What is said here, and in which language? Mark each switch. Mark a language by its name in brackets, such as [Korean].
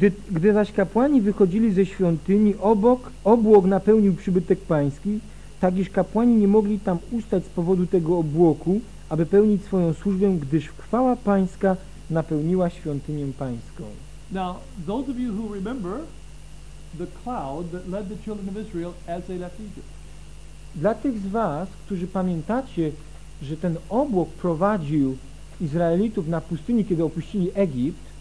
[Polish] Gdy zaś kapłani wychodzili ze świątyni, obłok napełnił przybytek pański, tak iż kapłani nie mogli tam ustać z powodu tego obłoku, aby pełnić swoją służbę, gdyż chwała pańska napełniła świątynię pańską. [English] Now, those of you who remember the cloud that led the children of Israel as they left Egypt. [Polish] Dla tych z was, którzy pamiętacie, że ten obłok prowadził Izraelitów na pustyni, kiedy opuścili Egipt,